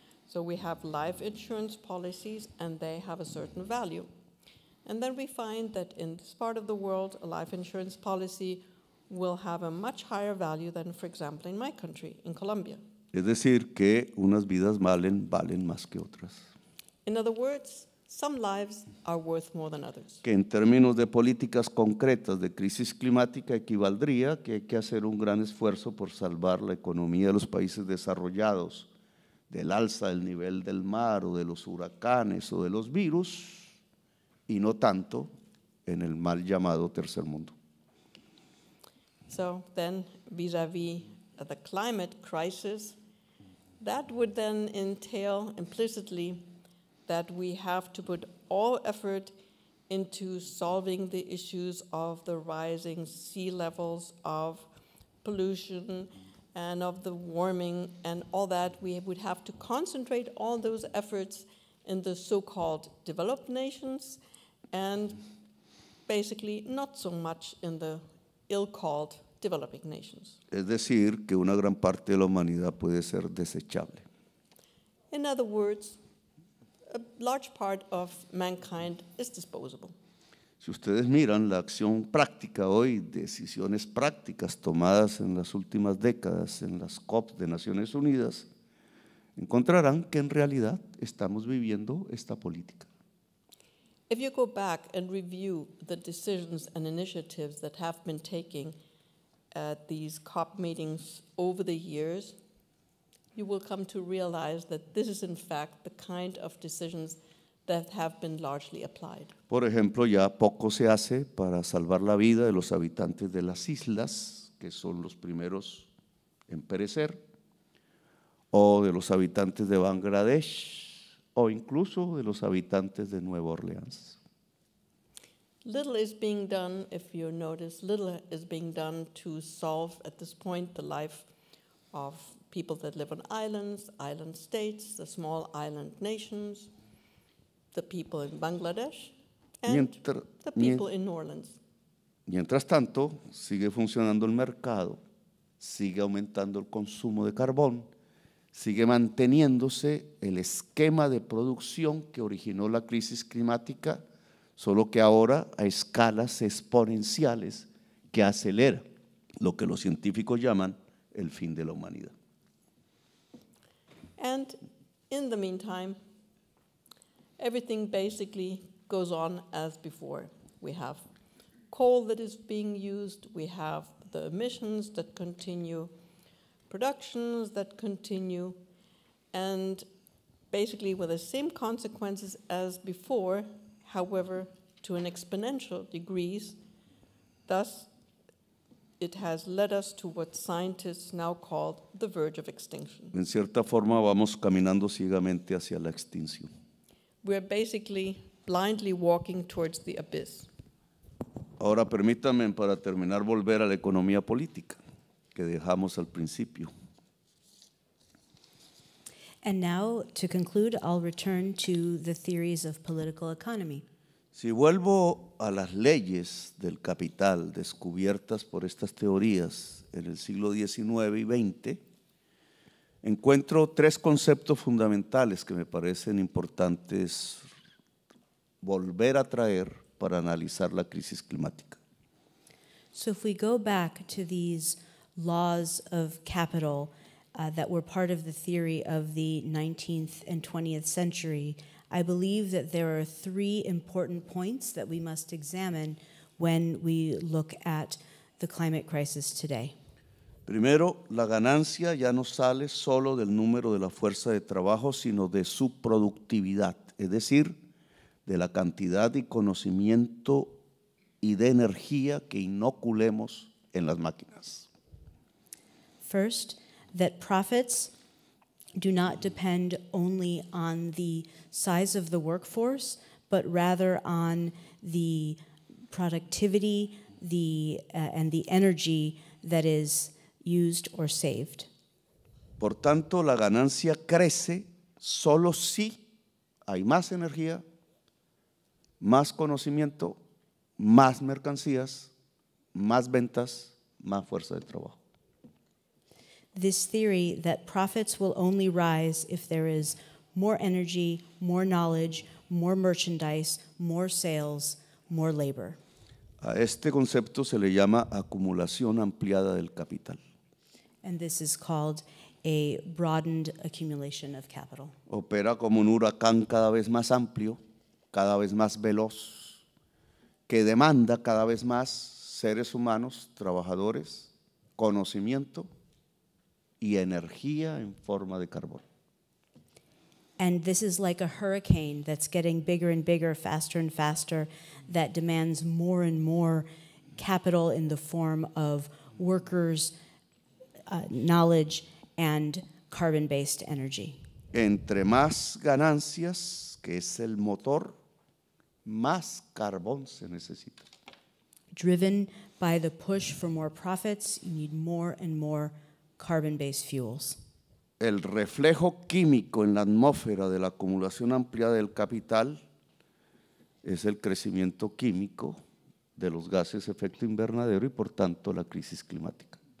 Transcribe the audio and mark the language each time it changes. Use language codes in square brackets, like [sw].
[en] So we have life insurance policies and they have a certain value. And then we find that in this part of the world, a life insurance policy will have a much higher value than, for example, in my country, in Colombia. [es] Es decir, que unas vidas valen más que otras. [en] In other words, some lives are worth more than others. [es] Que en términos de políticas concretas de crisis climática equivaldría que hay que hacer un gran esfuerzo por salvar la economía de los países desarrollados del alza del nivel del mar o de los huracanes o de los virus y no tanto en el mal llamado tercer mundo. [en] So then vis-a-vis the climate crisis, that would then entail implicitly that we have to put all effort into solving the issues of the rising sea levels of pollution and of the warming and all that, we would have to concentrate all those efforts in the so-called developed nations and basically not so much in the ill-called developing nations. [es] Es decir, que una gran parte de la humanidad puede ser desechable. [en] In other words, a large part of mankind is disposable. [es] Si ustedes miran la acción práctica hoy, decisiones prácticas tomadas en las últimas décadas en las COP de Naciones Unidas, encontrarán que en realidad estamos viviendo esta política. [en] If you go back and review the decisions and initiatives that have been taken at these COP meetings over the years, you will come to realize that this is in fact the kind of decisions that have been largely applied. [es] Por ejemplo, ya poco se hace para salvar la vida de los habitantes de las islas, que son los primeros en perecer, o de los habitantes de Bangladesh, o incluso de los habitantes de Nueva Orleans. [en] Little is being done, if you notice, little is being done to solve at this point the life of people that live on islands, island states, the small island nations, the people in Bangladesh, and the people in New Orleans. [es] Mientras tanto, sigue funcionando el mercado, sigue aumentando el consumo de carbón, sigue manteniéndose el esquema de producción que originó la crisis climática, solo que ahora a escalas exponenciales que acelera lo que los científicos llaman el fin de la humanidad. [en] And in the meantime, everything basically goes on as before. We have coal that is being used. We have the emissions that continue, productions that continue. And basically with the same consequences as before, however, to an exponential degree. Thus, it has led us to what scientists now call the verge of extinction. [es] En cierta forma, vamos caminando ciegamente hacia la extinción. [en] We are basically blindly walking towards the abyss. [es] Ahora permítanme, para terminar, volver a la economía política que dejamos al principio. [en] And now, to conclude, I'll return to the theories of political economy. [es] Si vuelvo a las leyes del capital descubiertas por estas teorías en el siglo XIX y XX, encuentro tres conceptos fundamentales que me parecen importantes volver a traer para analizar la crisis climática. [en] So if we go back to these laws of capital that were part of the theory of the 19th and 20th century, I believe that there are three important points that we must examine when we look at the climate crisis today. [es] Primero, la ganancia ya no sale solo del número de la fuerza de trabajo, sino de su productividad, es decir, de la cantidad de conocimiento y de energía que inoculemos en las máquinas. [en] First, that profits do not depend only on the size of the workforce, but rather on the productivity, and the energy that is used or saved. [es] Por tanto, la ganancia crece solo si hay más energía, más conocimiento, más mercancías, más ventas, más fuerza de trabajo. [en] This theory that profits will only rise if there is more energy, more knowledge, more merchandise, more sales, more labor. [es] A este concepto se le llama acumulación ampliada del capital. [en] And this is called a broadened accumulation of capital. [es] Opera como un huracán cada vez más amplio, cada vez más veloz, que demanda cada vez más seres humanos, trabajadores, conocimiento, y energía en forma de carbón. [en] And this is like a hurricane that's getting bigger and bigger, faster and faster, that demands more and more capital in the form of workers, knowledge, and carbon-based energy. [es] Entre más ganancias, que es el motor, más carbón se necesita. [en] Driven by the push for more profits, you need more and more carbon-based fuels. [es] El reflejo químico en la atmósfera de la acumulación ampliada del capital es el crecimiento químico de los gases efecto invernadero y, por tanto, la crisis climática.